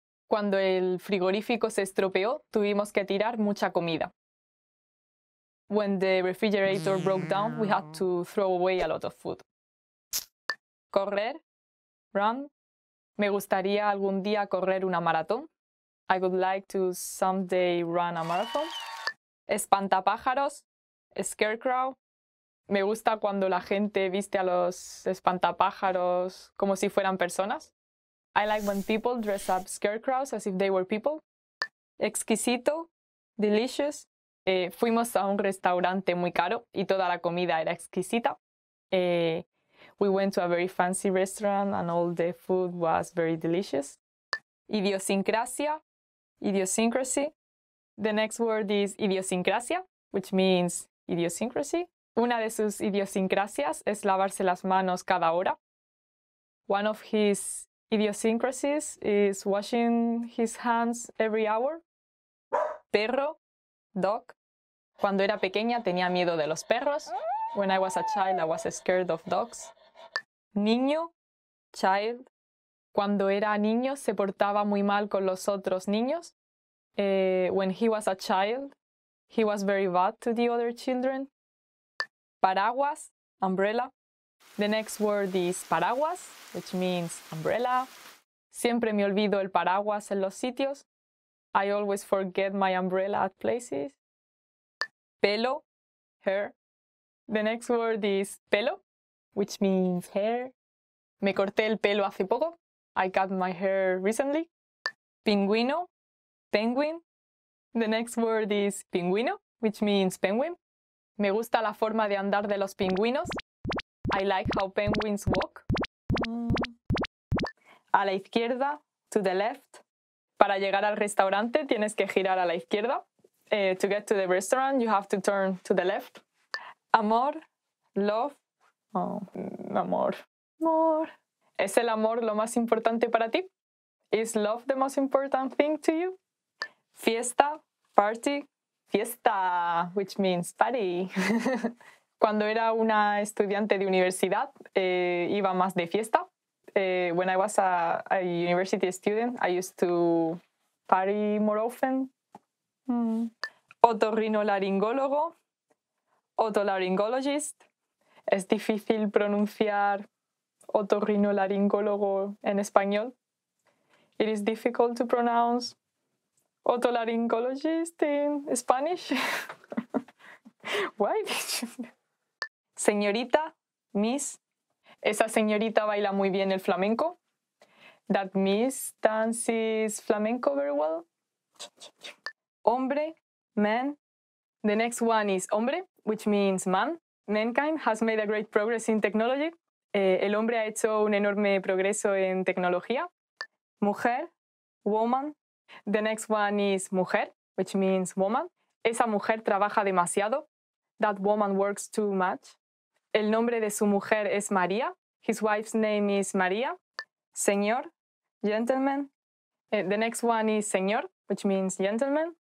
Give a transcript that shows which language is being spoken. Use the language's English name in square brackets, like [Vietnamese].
[Spanish] Cuando el frigorífico se estropeó, tuvimos que tirar mucha comida. [English] When the refrigerator broke down, we had to throw away a lot of food. [Spanish] Correr, run. Me gustaría algún día correr una maratón. [English] I would like to someday run a marathon. [Spanish] Espantapájaros, scarecrow. Me gusta cuando la gente viste a los espantapájaros como si fueran personas. [English] I like when people dress up scarecrows as if they were people. [Spanish] Exquisito, delicious. Fuimos a un restaurante muy caro y toda la comida era exquisita. [English] We went to a very fancy restaurant and all the food was very delicious. Idiosincrasia, idiosyncrasy. The next word is idiosincrasia, which means idiosyncrasy. [Spanish] Una de sus idiosincrasias es lavarse las manos cada hora. [English] One of his idiosyncrasies is washing his hands every hour. [Spanish] Perro, dog. Cuando era pequeña tenía miedo de los perros. [English] When I was a child, I was scared of dogs. [Spanish] Niño, child. Cuando era niño, se portaba muy mal con los otros niños. [English] When he was a child, he was very bad to the other children. Paraguas, umbrella. The next word is paraguas, which means umbrella. [Spanish] Siempre me olvido el paraguas en los sitios. [English] I always forget my umbrella at places. Pelo, hair. The next word is pelo, which means hair. [Spanish] Me corté el pelo hace poco. [English] I cut my hair recently. Pingüino, penguin. The next word is pingüino, which means penguin. [Spanish] Me gusta la forma de andar de los pingüinos. [English] I like how penguins walk. [Spanish] A la izquierda, [English] to the left. [Spanish] Para llegar al restaurante tienes que girar a la izquierda. [English] To get to the restaurant, you have to turn to the left. [Spanish] Amor, love. Oh, amor. Amor. ¿Es el amor lo más importante para ti? [English] Is love the most important thing to you? Fiesta, party. Fiesta, which means party. [Spanish] Cuando era una estudiante de universidad, iba más de fiesta. [English] When I was a university student, I used to party more often. [Spanish] Otorrinolaringólogo, otolaryngologist. Es difícil pronunciar otorrinolaringólogo en español. [English] It is difficult to pronounce otolaryngologist in Spanish. Why? [Spanish] Señorita, miss. Esa señorita baila muy bien el flamenco. [English] That miss dances flamenco very well. Hombre, man. The next one is hombre, which means man. Mankind has made a great progress in technology. [Spanish] El hombre ha hecho un enorme progreso en tecnología. Mujer, woman. [English] The next one is mujer, which means woman. [Spanish] Esa mujer trabaja demasiado. [English] That woman works too much. [Spanish] El nombre de su mujer es María. [English] His wife's name is María. [Spanish] Señor, gentleman. [English] The next one is señor, which means gentleman.